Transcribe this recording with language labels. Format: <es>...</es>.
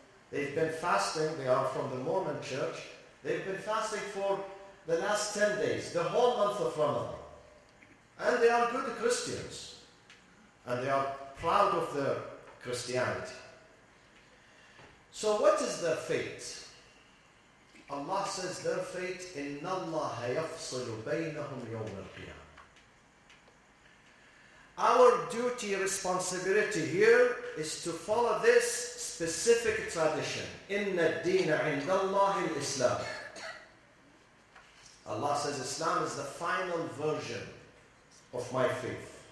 <en>They've been fasting, they are from the Mormon church, they've been fasting for the last 10 days, the whole month of Ramadan. And they are good Christians. And they are proud of their Christianity. So what is their fate? Allah says their fate,</en> <ar>إِنَّ اللَّهَ يَفْصِلُ بَيْنَهُمْ يَوْمَ الْقِيَامِ.</ar> <en>Our duty, responsibility here is to follow this specific tradition.</en> <ar>إِنَّ الدِّينَ عِنْدَ اللَّهِ الْإِسْلَامِ.</ar> <en>Allah says Islam is the final version of my faith.</en>